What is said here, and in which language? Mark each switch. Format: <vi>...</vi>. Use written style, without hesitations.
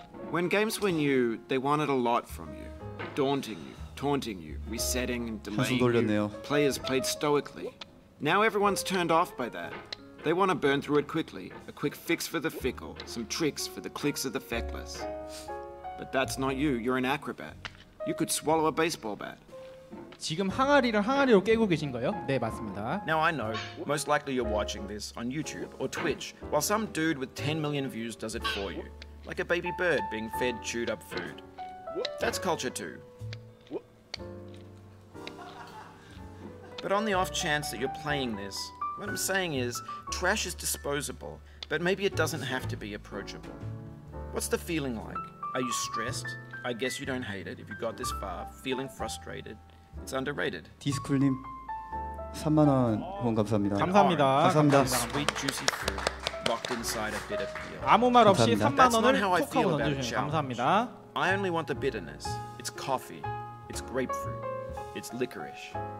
<en>When games were new, they wanted a lot from you, daunting you, taunting you, resetting and delaying you. Players played stoically. Now everyone's turned off by that. They want to burn through it quickly, a quick fix for the fickle, some tricks for the clicks of the feckless. But that's not you. You're an acrobat. You could swallow a baseball bat.</en> <ko>지금 항아리를 항아리로 깨고 계신 거예요? 네, 맞습니다.</ko> <en>Now I know. Most likely you're watching this on YouTube or Twitch, while some dude with 10 million views does it for you, like a baby bird being fed chewed up food. That's culture too. But on the off chance that you're playing this, what I'm saying is, trash is disposable, but maybe it doesn't have to be approachable. What's the feeling like? Are you stressed? I guess you don't hate it if you got this far. Feeling frustrated? It's underrated.</en> <ko>디스쿨님, 3만 원 후원 감사합니다. 감사합니다. 감사합니다.</ko> <en>Sweet juicy food locked inside a bitter peel.</en> <ko>아무 말 없이 3만 원을 톡하고 던져주셔서 감사합니다.</ko> <en>I only want the bitterness. It's coffee. It's grapefruit. It's licorice.</en>